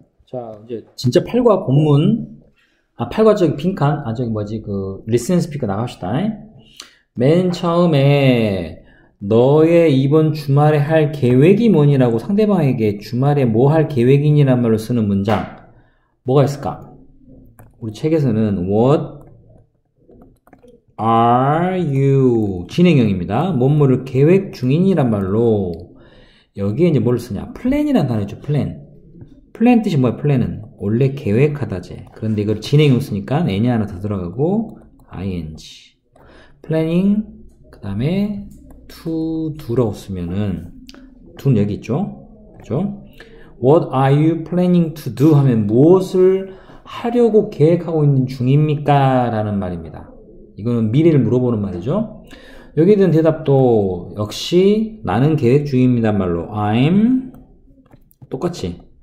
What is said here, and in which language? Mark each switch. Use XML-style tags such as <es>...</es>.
<ko>자, 이제 진짜 8과 본문, 아, 8과 저기 빈칸, 아, 저기 뭐지, 그, 리슨 스피커 나갑시다. 맨 처음에 너의 이번 주말에 할 계획이 뭐니라고 상대방에게 주말에 뭐할 계획이니란 말로 쓰는 문장, 뭐가 있을까? 우리 책에서는</ko> <en>What are you?</en> <ko>진행형입니다. 뭐뭐를 계획 중인이란 말로, 여기에 이제 뭘 쓰냐. 플랜이란 단어죠, 플랜. 플랜 뜻이 뭐야? 플랜은 원래 계획하다지. 그런데 이걸 진행형 쓰니까 N이 하나 더 들어가고 ing. planning 그다음에 to 두라고 쓰면은 두는 여기 있죠, 그렇죠?</ko> <en>What are you planning to do?</en> <ko>하면 무엇을 하려고 계획하고 있는 중입니까?라는 말입니다. 이거는 미래를 물어보는 말이죠. 여기에 대한 대답도 역시 나는 계획 중입니다 말로 I'm 똑같이.</ko>